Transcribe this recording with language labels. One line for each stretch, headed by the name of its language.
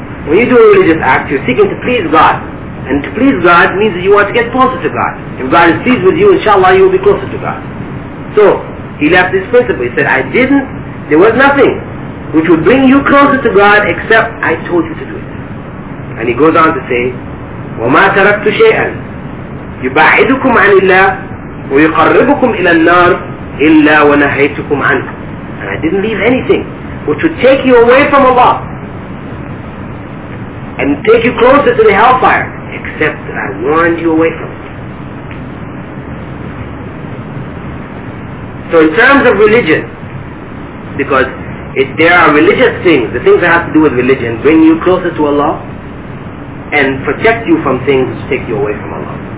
English: When you do a religious act, you're seeking to please God. And to please God means that you want to get closer to God. If God is pleased with you, inshallah, you will be closer to God. So, he left this principle. He said, I didn't, there was nothing which would bring you closer to God except I told you to do it. And he goes on to say,
Arabic: وَمَا تَرَكْتُ شَيْئًا يُبَعِدُكُمْ عَنِ اللَّهِ وَيُقَرِّبُكُمْ إِلَى النَّارِ إِلَّا وَنَهَيْتُكُمْ عَنْهُ.
English: And I didn't leave anything which would take you away from Allah and take you closer to the hellfire except that I warned you away from it. So in terms of religion, because if there are religious things, the things that have to do with religion, bring you closer to Allah and protect you from things which take you away from Allah.